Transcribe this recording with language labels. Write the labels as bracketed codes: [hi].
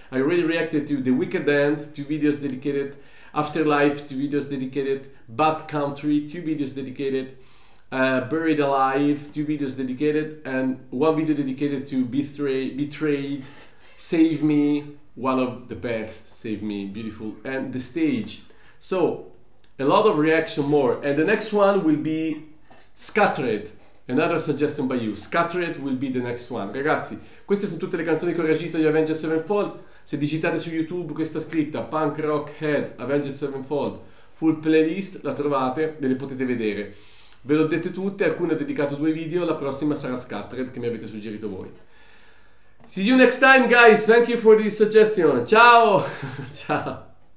[en] I already reacted to The Wicked End, two videos dedicated, Afterlife, two videos dedicated, Bad Country, two videos dedicated, Buried Alive, two videos dedicated, and one video dedicated to Betrayed, Save Me, one of the best, Save Me, beautiful, and The Stage. So, a lot of reaction more, and the next one will be Scattered, another suggestion by you. Scattered will be the next one. [it] Ragazzi, queste sono tutte le canzoni che ho reagito di Avenged Sevenfold. Se digitate su YouTube questa scritta, Punk Rock Head, Avenged Sevenfold, full playlist, la trovate e le potete vedere. Ve l'ho dette tutte, alcune ho dedicato due video, la prossima sarà Scattered, che mi avete suggerito voi. [en] See you next time, guys. Thank you for the suggestion. [it] Ciao! Ciao!